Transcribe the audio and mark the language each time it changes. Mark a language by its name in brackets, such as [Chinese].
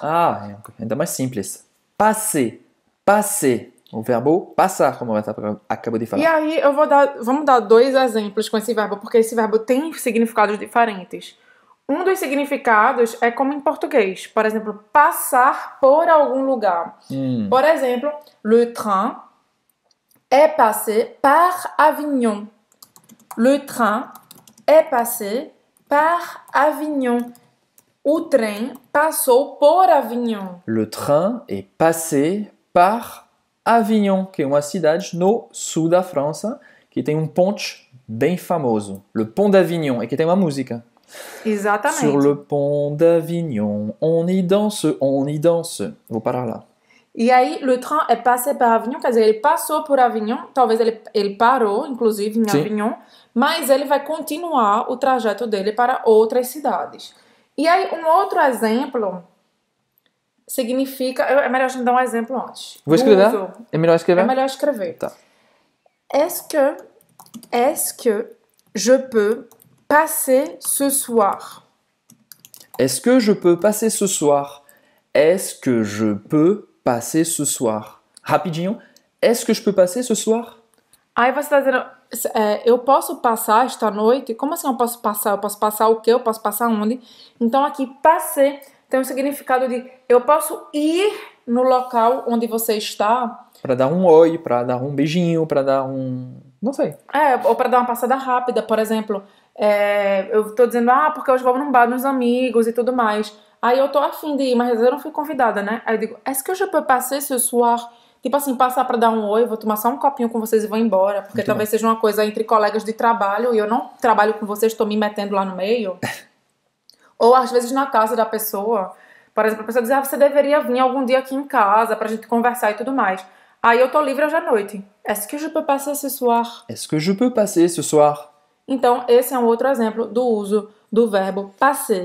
[Portuguese] Ah, ainda mais simples. Passé, passé. O verbo passar, como eu acabo de falar. E aí, vamos dar dois exemplos com esse verbo, porque esse verbo tem significados diferentes. Um dos significados é como em português. Por exemplo, passar por algum lugar. Por exemplo, [French] le train est passé par Avignon. Le train est passé par Avignon. [Portuguese] O trem passou por Avignon. [French] Le train est passé par [Portuguese] Avignon, que é uma cidade no sul da França, que tem um ponte bem famoso, o Pont d'Avignon, e que tem uma música. Exatamente. [French] Sur le pont d'Avignon, on y danse, [Portuguese] vou parar lá. E aí, o trem é [French] passé par Avignon, [Portuguese] quer dizer, ele passou por Avignon, talvez ele parou, inclusive, em Avignon, mas ele vai continuar o trajeto dele para outras cidades. E aí, um outro exemplo significa... É melhor a gente dar um exemplo antes. Vou escrever? É melhor escrever? É melhor escrever. Tá. [French] Est-ce que je peux passer ce soir? Est-ce que je peux passer ce soir? Est-ce que je peux passer ce soir? [Portuguese] Rapidinho. [French] Est-ce que je peux passer ce soir? [Portuguese] Aí você está dizendo, eu posso passar esta noite? Como assim eu posso passar? Eu posso passar o quê? Eu posso passar onde? Então aqui, passer tem o significado de eu posso ir no local onde você está? Para dar um oi, para dar um beijinho, para dar um... Não sei. É, ou para dar uma passada rápida, por exemplo. Eu estou dizendo, porque eu vou num bar dos amigos e tudo mais. Aí eu tô afim de ir, mas eu não fui convidada, né? Aí eu digo, [French] est-ce que je peux passer ce soir? [Portuguese] Tipo assim, passar para dar um oi, vou tomar só um copinho com vocês e vou embora. Porque muito talvez bem. Seja uma coisa entre colegas de trabalho e eu não trabalho com vocês, estou me metendo lá no meio. Ou às vezes na casa da pessoa. Por exemplo, a pessoa diz, você deveria vir algum dia aqui em casa para a gente conversar e tudo mais. Aí eu tô livre hoje à noite. [French] Est-ce que je peux passer ce soir? Est-ce que je peux passer ce soir? [Portuguese] Então, esse é um outro exemplo do uso do verbo passer.